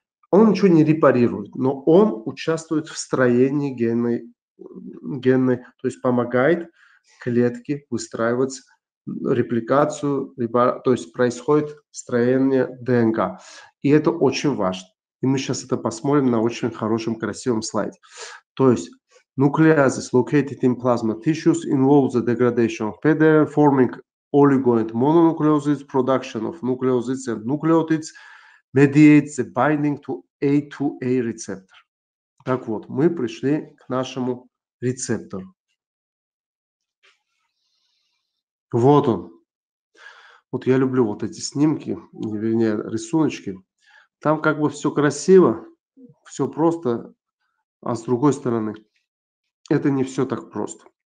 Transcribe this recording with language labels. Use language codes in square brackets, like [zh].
[ru] Он ничего не репарирует, но он участвует в строении генной, то есть помогает клетке выстраивать репликацию, то есть происходит строение ДНК. И это очень важно. И мы сейчас это посмотрим на очень хорошем, красивом слайде. То есть [en] nucleases located in plasma tissues involve the degradation of PDRN forming oligo and mononucleosis, production of nucleosides and nucleotides mediates the binding to A2A receptor. [ru] Так вот, мы пришли к нашему рецептору. Вот он. Вот я люблю вот эти снимки, вернее, рисуночки. Там как бы все красиво, все просто, а с другой стороны, это не все так просто.